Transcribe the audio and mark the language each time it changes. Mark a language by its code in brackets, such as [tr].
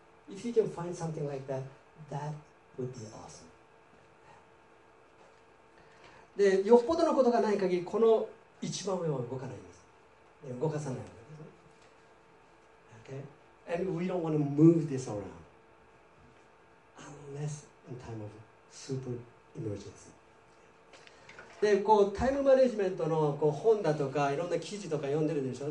[en] If you can find something like that, that would be awesome. [ja] で、よっぽどのことがない限り、この一番上は動かないんです。動かさないわけです。Okay? [en] And we don't want to move this around unless in time of super emergency. [ja] でこうタイムマネジメントのこう本だとかいろんな記事とか読んでるでしょ。